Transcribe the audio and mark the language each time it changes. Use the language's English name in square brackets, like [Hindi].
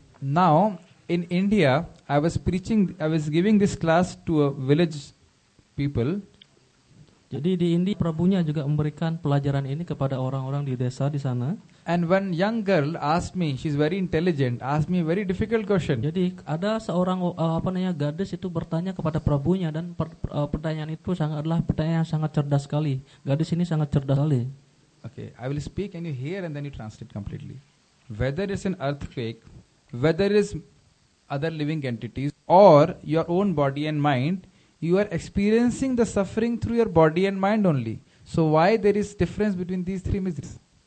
[English] Now in India, I was giving this class to a village people. [Indonesian] Jadi di India Prabhunya juga memberikan pelajaran ini kepada orang-orang di desa di sana. [English] And when young girl asked me, she's very intelligent, asked me a very difficult question. [Indonesian] Jadi ada seorang gadis itu bertanya kepada Prabhunya dan pertanyaan itu adalah pertanyaan yang sangat cerdas sekali. Gadis ini sangat cerdas sekali. [English] Okay, I will speak and you hear and then you translate completely. Whether it's an earthquake, whether it's other living entities or your own body and mind, you are experiencing the suffering through your body and mind only. So why there is difference between these three miseries?